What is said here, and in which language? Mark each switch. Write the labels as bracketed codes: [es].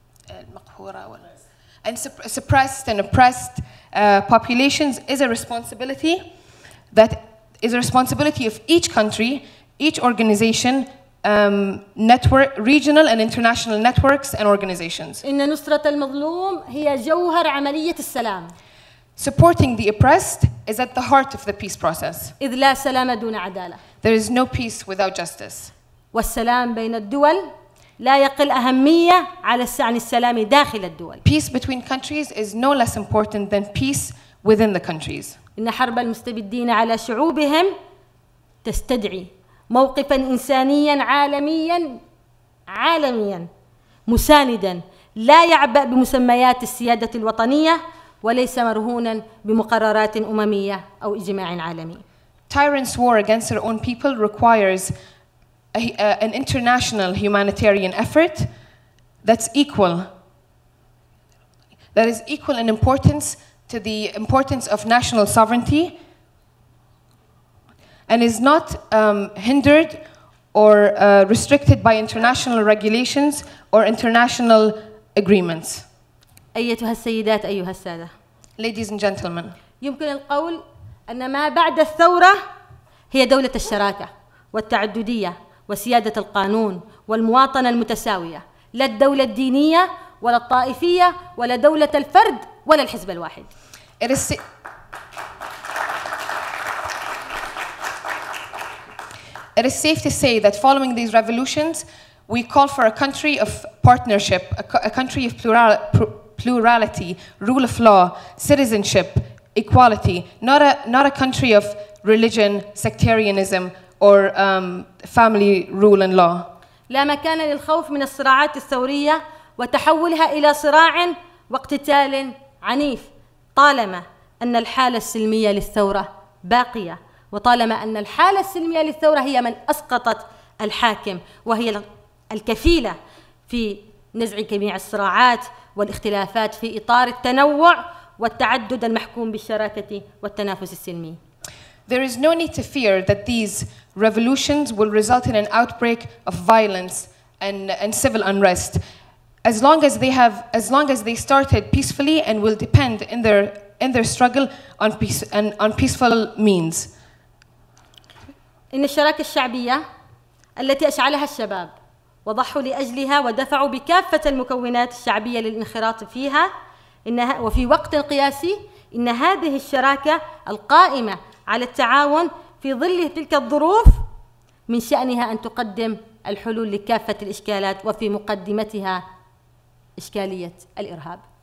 [ar] المقهورة [en] and suppressed and oppressed populations is a responsibility that is a responsibility of each country, each organization, network, regional and international networks and organizations. [ar] إن نصرة المظلوم هي جوهر عملية السلام. [en] Supporting the oppressed is at the heart of the peace process. [ar] إذ لا سلام دون عدالة. [en] There is no peace without justice. [ar] والسلام بين الدول لا يقل أهمية على عن السلام داخل الدول. [en] Peace between countries is no less important than peace within the countries. [ar] إن حرب المستبدين على شعوبهم تستدعي موقفا إنسانيا عالميا عالميا مساندا لا يعبأ بمسميات السيادة الوطنية وليس مرهونا بمقررات أممية أو إجماع عالمي. [en] Tyrants' war against their own people requires an international humanitarian effort that is equal in importance to the importance of national sovereignty and is not hindered or restricted by international regulations or international agreements. [ar] أيتها السيدات أيها السادة. [en] Ladies and gentlemen. [ar] يمكن القول أن ما بعد الثورة هي دولة الشراكة والتعددية وسيادة القانون والمواطنة المتساوية لا الدولة الدينية ولا الطائفية ولا دولة الفرد ولا الحزب الواحد. [en] It is safe to say that following these revolutions, we call for a country of partnership, a country of plurality, rule of law, citizenship, equality, not a country of religion, sectarianism, or family rule and law. [ar] لا مكان للخوف من الصراعات الثورية وتحولها إلى صراع واقتتال عنيف طالما أن الحالة السلمية للثورة باقية وطالما أن الحالة السلمية للثورة هي من أسقطت الحاكم وهي الكفيلة في نزع جميع الصراعات والاختلافات في إطار التنوع والتعدد المحكوم بالشراكة والتنافس السلمي. [en] There is no need to fear that these revolutions will result in an outbreak of violence and civil unrest, as long as they started peacefully and will depend in their struggle on peace and on peaceful means. [ar] إن الشراكة الشعبية التي أشعلها الشباب وضحوا لأجلها ودفعوا بكافة المكونات الشعبية للانخراط فيها إنها وفي وقت قياسي إن هذه الشراكة القائمة على التعاون في ظل تلك الظروف من شأنها أن تقدم الحلول لكافة الإشكالات وفي مقدمتها إشكالية الإرهاب.